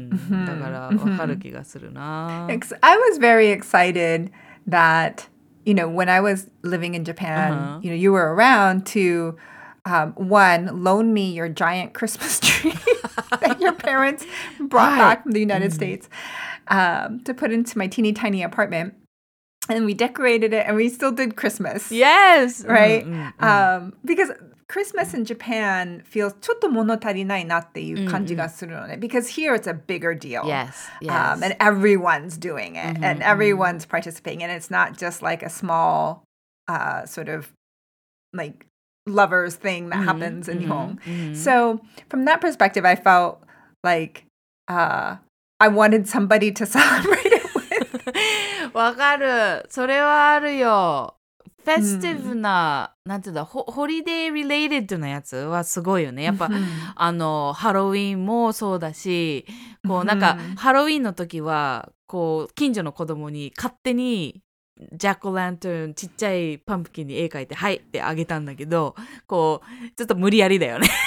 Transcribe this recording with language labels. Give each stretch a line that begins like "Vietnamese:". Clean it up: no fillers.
Japanese: だから、わかる気がするな。
English: I was very excited that, you know, when I was living in Japan, you know, you were around to, one, loan me your giant Christmas tree. that your parents brought back from the United States to put into my teeny tiny apartment. And we decorated it and we still did Christmas. Yes! Right? Because Christmas in Japan feels
Japanese: ちょっと物足りないなっていう感じがするのね。
English: Because here it's a bigger deal. Yes, yes. And everyone's doing it and everyone's participating. And it's not just like a small sort of like... lovers thing that happens in Nihon. So from that perspective, I felt like I wanted somebody to celebrate it with.
Japanese: わかる。それはあるよ。フェスティブな、なんていうの、ホリデーリレーテッドなやつはすごいよね。やっぱ、あの、ハロウィンもそうだし、こう、なんか、ハロウィンの時は、こう、近所の子供に勝手に、ジャック・オ・ランタン、ちっちゃいパンプキンに絵描いて、はいってあげたんだけど、こう、ちょっと無理やりだよね。